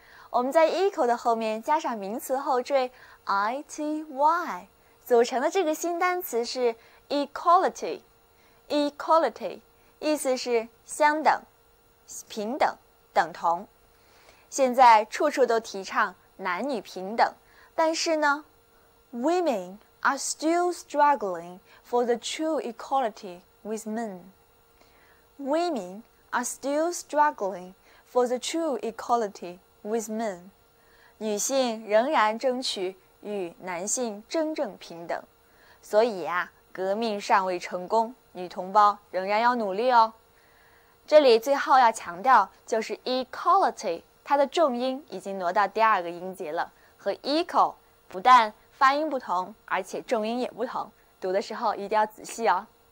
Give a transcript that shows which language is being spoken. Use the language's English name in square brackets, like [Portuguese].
[Chinese] 我们在 equal 的后面加上名词后缀 ity， 组成的这个新单词是 equality。 Equality 意思是相等、平等、等同。现在处处都提倡男女平等，但是呢？ [English] Women are still struggling for the true equality with men. Women are still struggling for the true equality with men. [Chinese] 女性仍然争取与男性真正平等。所以啊，革命尚未成功，女同胞仍然要努力哦。这里最后要强调就是 equality， 它的重音已经挪到第二个音节了，和 equal 不但发音不同，而且重音也不同，读的时候一定要仔细哦。